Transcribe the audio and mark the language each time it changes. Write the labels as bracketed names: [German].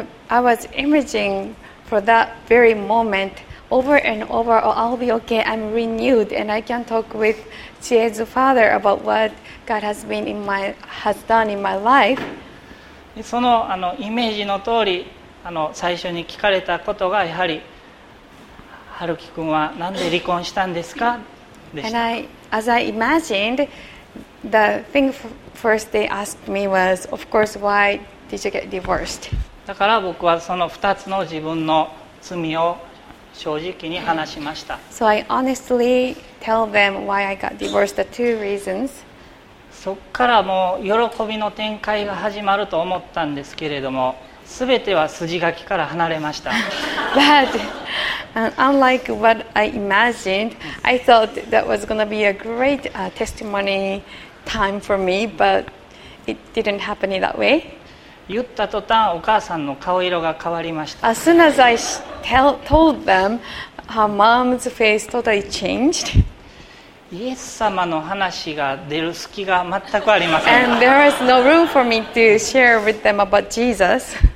[English] I was imagining for that very moment over and over, or I'll be okay, I'm renewed and I can talk with Chie's father about what God has done in my life. [Japanese] そのイメージの通り最初に聞かれたことがやはり春樹くんはなんで離婚したんですかでした。 [English] As I imagined, the thing first they asked me was, of course, why did you get divorced? [Japanese] だから僕はその2つの自分の罪を正直に話しました。 [English] So I honestly tell them why I got divorced, the two reasons. [Japanese] そこからもう喜びの展開が始まると思ったんですけれども、すべては筋書きから離れました。 [English] But unlike what I imagined, I thought that was going to be a great testimony time for me, but it didn't happen in that way. [Japanese] 言った途端、お母さんの顔色が変わりました。 [English] As soon as I told them, her mom's face totally changed. [Japanese] イエス様の話が出る隙が全くありません。 [English] And there was no room for me to share with them about Jesus.